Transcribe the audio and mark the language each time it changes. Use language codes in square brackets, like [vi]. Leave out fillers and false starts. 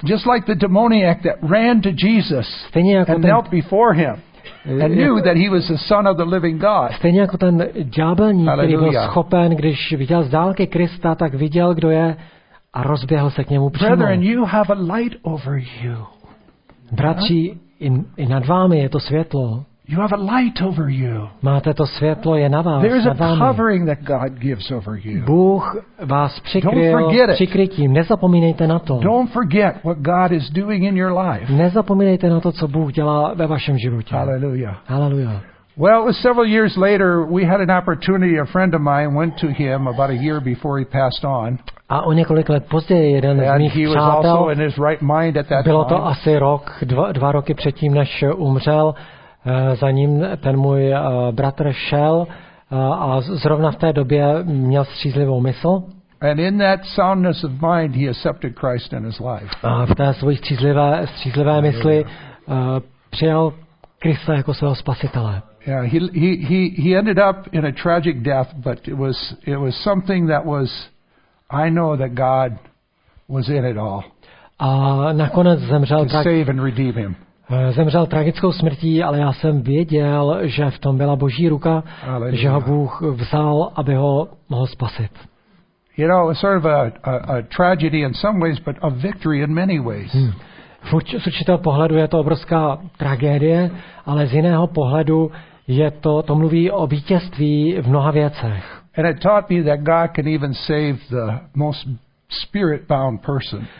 [en] Just like the demoniac that ran to Jesus [cs] stejně jako [en] and knelt before him and knew that he was the son of the living God. [cs] Stejně jako ten ďábelník, který byl schopen, když viděl z dálky Krista, tak viděl, kdo je a rozběhl se k němu přímo. [en] Brethren, you have a light over you. [cs] Bratři, i nad vámi je to světlo. [en] You have a light over you. [cs] Máte to světlo je na vás. [en] There's a covering that God gives over you. [cs] Bůh vás přikryl přikrytím. Nezapomínejte na to. [en] Don't forget what God is doing in your life. [cs] Nezapomínejte na to, co Bůh dělá ve vašem životě. Hallelujah. Hallelujah. [en] Well, it was several years later, we had an opportunity. A friend of mine went to him about a year before he passed on. [cs] A o několik let později jeden z mých přátel. [en] Right, [cs] bylo to asi rok, dva roky předtím, než umřel. Za ním ten můj bratr šel a zrovna v té době měl střízlivou mysl. [en] And in that soundness of mind he accepted Christ in his life. [cs] A v té své střízlivé mysli přijal Krista jako svého spasitele. [en] Yeah, he ended up in a tragic death, but it was something that was, I know that God was in it all. [cs] A nakonec zemřel tak. [en] To save and redeem him. [cs] Zemřel tragickou smrtí, ale já jsem věděl, že v tom byla Boží ruka, Alleluia. Že ho Bůh vzal, aby ho mohl spasit. [en] You know, it's sort of a tragedy in some ways, but a victory in many ways. [cs] Z určitého pohledu je to obrovská tragédie, ale z jiného pohledu je to mluví o vítězství v mnoha věcech. [en] And it taught me that God can even save the most spirit-bound person.